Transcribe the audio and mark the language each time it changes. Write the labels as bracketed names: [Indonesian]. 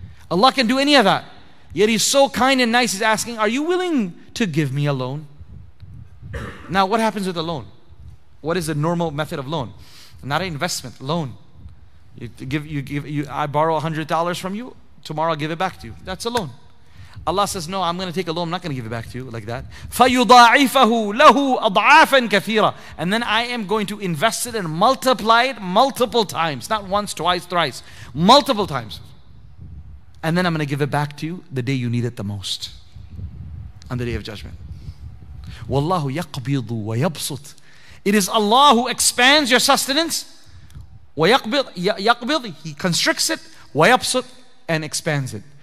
[English] Allah can do any of that. Yet He's so kind and nice, He's asking, are you willing to give me a loan? Now, what happens with a loan? What is the normal method of loan? Not an investment, loan. I borrow $100 from you, tomorrow I'll give it back to you. That's a loan. Allah says, no, I'm going to take a loan, I'm not going to give it back to you like that. [Arabic] فَيُضَاعِفَهُ لَهُ أَضْعَافًا كَثِيرًا. [English] And then I am going to invest it and multiply it multiple times. Not once, twice, thrice. Multiple times. And then I'm going to give it back to you the day you need it the most. On the day of judgment. [Arabic] وَاللَّهُ يَقْبِضُ وَيَبْسُطُ. [English] It is Allah who expands your sustenance. [Arabic] وَيَقْبِضُ. [English] He constricts it. [Arabic] وَيَبْسُطُ. [English] And expands it.